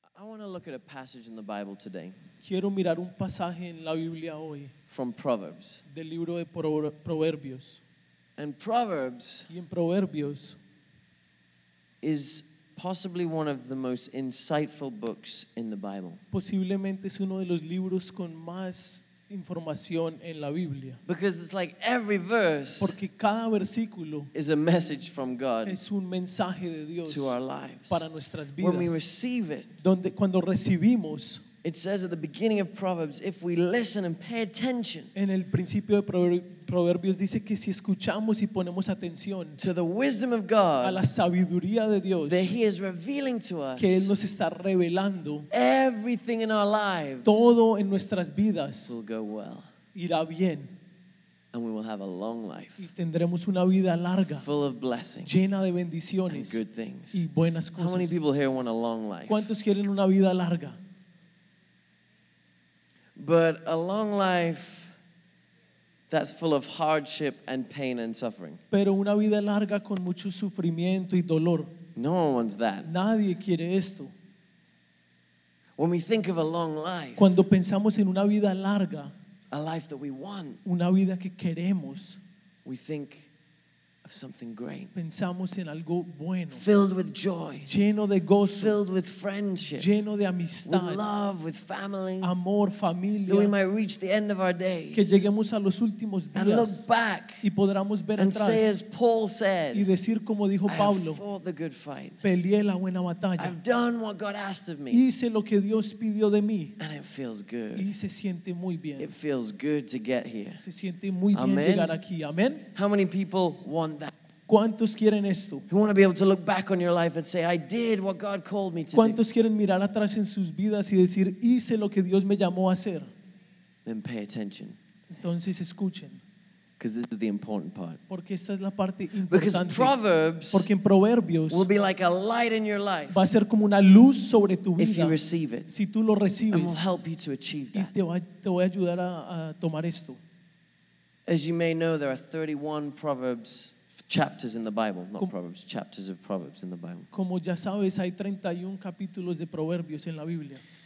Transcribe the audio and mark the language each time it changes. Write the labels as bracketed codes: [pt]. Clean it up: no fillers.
[en] look at a passage in the Bible today. [es] Quiero mirar un pasaje en la Biblia hoy. [en] From Proverbs. [es] Del libro de Proverbios. [en] And Proverbs. [es] Y en Proverbios. [en] Is possibly one of the most insightful books in the Bible. [es] Posiblemente es uno de los libros con más información en la Biblia. [en] Because it's like every verse. [es] Porque cada versículo [en] is a message from God. [es] Es un mensaje de Dios [en] to our lives. [es] Para nuestras vidas. [en] When we receive it. [es] Donde cuando recibimos. [en] It says at the beginning of Proverbs, if we listen and pay attention. [es] En el principio de Proverbios dice que si escuchamos y ponemos atención [en] to the wisdom of God, [es] a la sabiduría de Dios, [en] that He is revealing to us, [es] que Él nos está revelando, [en] everything in our lives, [es] todo en nuestras vidas, [en] will go well, [es] irá bien, [en] and we will have a long life, [es] y tendremos una vida larga, [en] full of blessings, [es] llena de bendiciones, [en] and good things, [es] y buenas cosas. [en] How many people here want a long life? [es] ¿Cuántos quieren una vida larga? [en] But a long life that's full of hardship and pain and suffering. [es] Pero una vida larga con mucho sufrimiento y dolor. [en] No one wants that. [es] Nadie quiere esto. [en] When we think of a long life, [es] cuando pensamos en una vida larga, [en] a life that we want, [es] una vida que queremos, [en] we think of something great. [es] Pensamos en algo bueno. [en] Filled with joy. [es] Lleno de gozo. [en] Filled with friendship. [es] Lleno de amistad. [en] With love, with family. [es] Amor, familia. [en] That we might reach the end of our days. [es] Que lleguemos a los últimos días. [en] And look back. [es] Y podamos ver [en] and [es] atrás. [en] Say as Paul said. [es] Y decir como dijo Pablo. [en] I have fought the good fight. [es] Peleé la buena batalla. [en] I've done what God asked of me. [es] Hice lo que Dios pidió de mí. [en] And it feels good. [es] Y se siente muy bien. [en] It feels good to get here. [es] Se siente muy bien. Amen. Llegar aquí. Amen. [en] How many people want [es] ¿Cuántos quieren esto? [en] You want to be able to look back on your life and say, I did what God called me to do. [es] ¿Cuántos quieren mirar atrás en sus vidas y decir, hice lo que Dios me llamó a hacer? [en] Then pay attention. [es] Entonces escuchen. [en] Because this is the important part. [es] Porque esta es la parte importante. [en] Because Proverbs, [es] porque en Proverbios, [en] will be like a light in your life. [es] Va a ser como una luz sobre tu vida. [en] If you receive it. [es] Si tú lo recibes. [en] And will help you to achieve that. [es] Y te voy a ayudar a tomar esto. [en] As you may know, there are 31 Proverbs. Chapters in the Bible, not Proverbs, chapters of Proverbs in the Bible. [es] Como ya sabes, hay 31 capítulos de Proverbios en la Biblia.